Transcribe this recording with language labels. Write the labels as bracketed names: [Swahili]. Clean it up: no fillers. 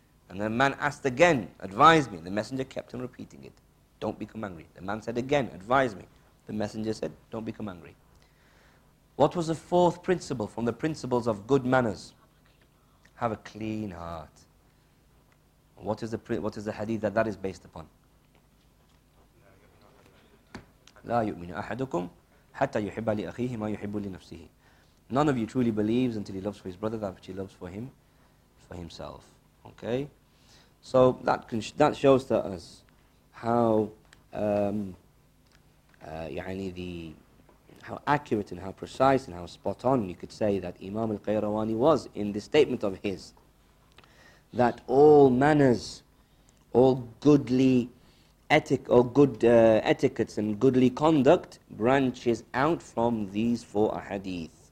[English] And the man asked again, advise me. The messenger kept on repeating it. Don't become angry. The man said again, advise me. The messenger said, don't become angry. What was the fourth principle from the principles of good manners? Have a clean heart. What is the hadith that is based upon? [Arabic] لا يؤمن أحدكم حتى يحب لأخيه ما يحب لنفسه. [English] None of you truly believes until he loves for his brother that which he loves for him, for himself. Okay, so that shows to us how how accurate and how precise and how spot on you could say that Imam al-Qayrawani was in this statement of his, that all manners, all goodly etiquettes and goodly conduct branches out from these four ahadith.